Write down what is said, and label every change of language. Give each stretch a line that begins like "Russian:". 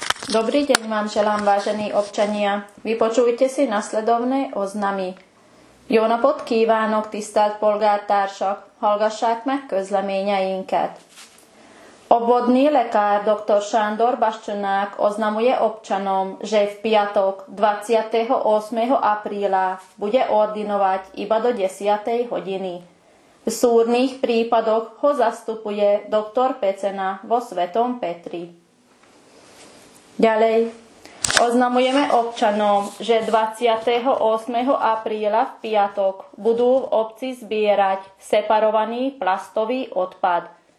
Slovak: Dobrý deň vám želám, vážení občania. Vypočujte si nasledovné oznamy.
Hungarian: Jó napot kívánok, tisztelt polgártársak! Hallgassák meg közleményeinket!
Slovak: Obvodný lekár dr. Sándor Bascsonák oznamuje občanom, že v piatok 28. apríla bude ordinovať iba do 10. hodiny. V súrnych prípadoch ho zastupuje dr. Pecena vo Svetom Petri. Ďalej. Oznamujeme občanom, že 28. apríla v piatok budú v obci zbierať separovaný plastový odpad.